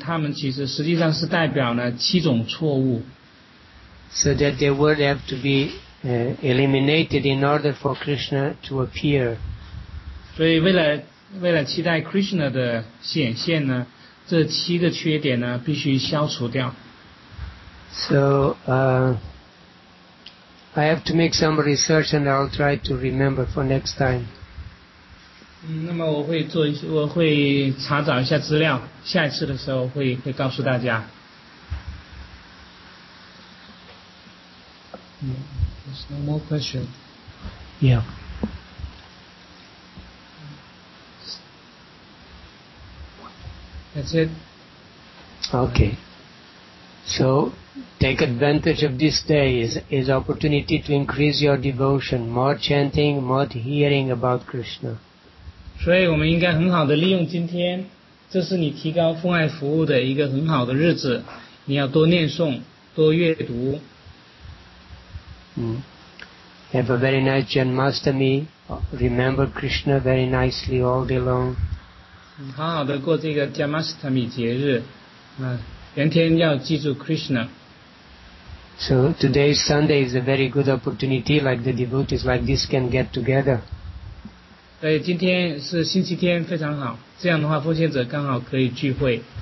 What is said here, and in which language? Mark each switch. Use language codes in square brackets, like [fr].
[zh] 他们其实实际上是代表了七种错误。 [en] So that they would have to be eliminated in order for Krishna to appear. [zh] 所以为了为了期待 Krishna 的显现呢，这七个缺点呢必须消除掉。 [en] So, I have to make some research and I'll try to remember for next time. [zh] 那么我会查找一下资料，下一次的时候会告诉大家。 [en] There's no more question. Yeah. That's it. Okay. So, take advantage of this day is opportunity to increase your devotion. More chanting, more hearing about Krishna. [zh] 所以我们应该很好的利用今天，这是你提高奉爱服务的一个很好的日子。你要多念诵，多阅读。 [en] Have a very nice Janmashtami. Remember Krishna very nicely all day long. [zh] 好好的过这个 Janmashtami 节日，全天要记住 Krishna. [en] So today's Sunday is a very good opportunity. Like the devotees like this can get together. [zh] 对，今天是星期天，非常好。这样的话，奉献者刚好可以聚会。